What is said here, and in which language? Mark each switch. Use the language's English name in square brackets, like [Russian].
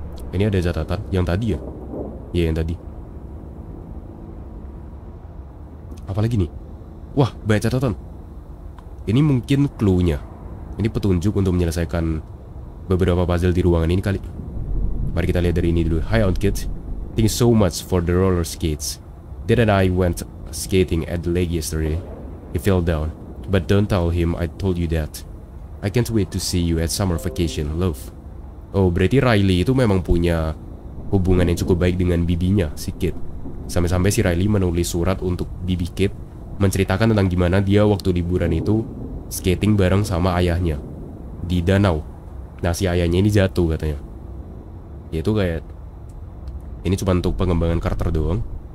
[Indonesian] Ini ada catatan yang tadi ya? Iya, yang tadi. Apalagi nih? Wah, banyak catatan. Ini mungkin clue-nya. Ini petunjuk untuk menyelesaikan beberapa puzzle di ruangan ini kali. Mari kita lihat dari ini dulu. [English] Hi, Aunt Kate. Thank you so much for the roller skates. Dad and I went skating at the lake yesterday. He fell down. But don't tell him I told you that. I can't wait to see you at summer vacation, love. [Indonesian] Oh, berarti Riley itu memang punya hubungan yang cukup baik dengan bibinya, si Kate. Sampai-sampai si Riley menulis surat untuk bibi Kate, menceritakan tentang gimana dia waktu liburan itu skating bareng sama ayahnya di danau. Nah, si ayahnya ini jatuh katanya. Ya itu kayak, ini cuma untuk pengembangan karakter doang.